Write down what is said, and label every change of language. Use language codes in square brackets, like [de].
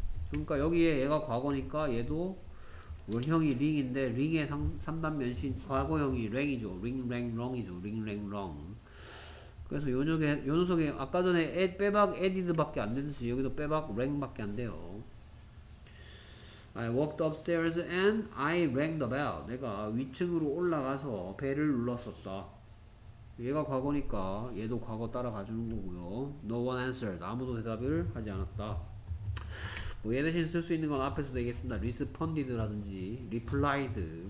[ko] 그러니까 여기에 얘가 과거니까 얘도 원형이 링인데 링의 3단면신 과거형이 랭이죠. 링, 랭, 롱이죠. 링, 랭, 롱. 그래서 요 녀석이 아까 전에 빼박 에디드밖에 안 되듯이 여기도 빼박 랭밖에 안 돼요. [en] I walked upstairs and I rang the bell. [ko] 내가 위층으로 올라가서 벨을 눌렀었다. 얘가 과거니까 얘도 과거 따라가주는 거고요. [en] No one answered. [ko] 아무도 대답을 하지 않았다. 뭐 얘 대신 쓸 수 있는 건 앞에서 얘기했습니다. [en] responded라든지 replied.